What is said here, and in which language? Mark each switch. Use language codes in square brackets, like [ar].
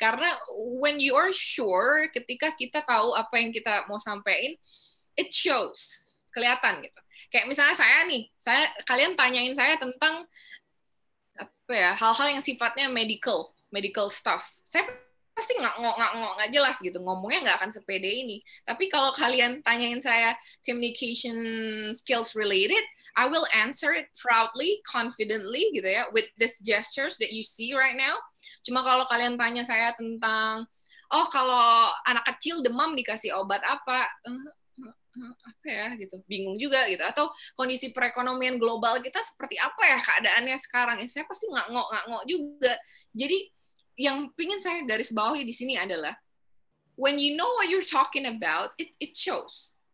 [id] Karena [en] when you are sure, [id] ketika kita tahu apa yang kita mau sampaikan, [en] it shows, [id] kelihatan gitu. Kayak misalnya saya nih, kalian tanyain saya tentang apa ya, hal-hal yang sifatnya medical stuff. Saya pasti nggak jelas gitu, ngomongnya nggak akan sepede ini. Tapi kalau kalian tanyain saya [en] communication skills related, I will answer it proudly, confidently [id] gitu ya, [en] with this gestures that you see right now. [id] Cuma kalau kalian tanya saya tentang, oh kalau anak kecil demam dikasih obat apa, apa ya gitu, bingung juga gitu, atau kondisi perekonomian global kita seperti apa ya keadaannya sekarang, saya pasti nggak juga. Jadi yang pingin saya garis bawahi di sini adalah, [en] when you know what you're talking about, it shows.